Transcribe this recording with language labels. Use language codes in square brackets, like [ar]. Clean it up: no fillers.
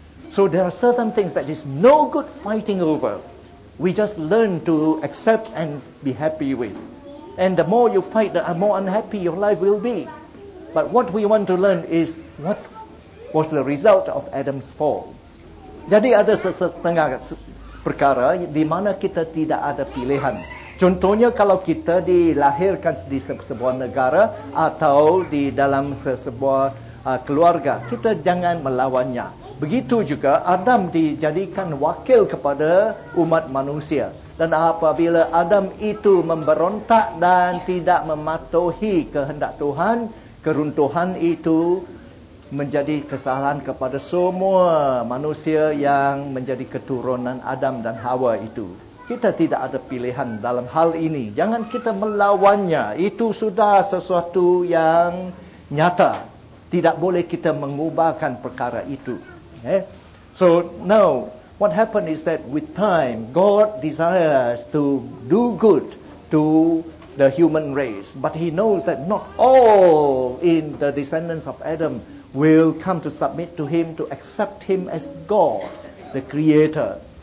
[en] So there are certain things that is no good fighting over. We just learn to accept and be happy with. And the more you fight, the more unhappy your life will be. But what we want to learn is what was the result of Adam's fall. [ms] Jadi ada setengah perkara di mana kita tidak ada pilihan. Contohnya kalau kita dilahirkan di sebuah negara atau di dalam sebuah keluarga, kita jangan melawannya. Begitu juga Adam dijadikan wakil kepada umat manusia. Dan apabila Adam itu memberontak dan tidak mematuhi kehendak Tuhan, keruntuhan itu menjadi kesalahan kepada semua manusia yang menjadi keturunan Adam dan Hawa itu. Kita tidak ada pilihan dalam hal ini. Jangan kita melawannya. Itu sudah sesuatu yang nyata. Tidak boleh kita mengubahkan perkara itu. Okay? [en] So now, what happened is that with time, God desires to do good to the human race. But he knows that not all in the descendants of Adam will come to submit to him, to accept him as God, the creator.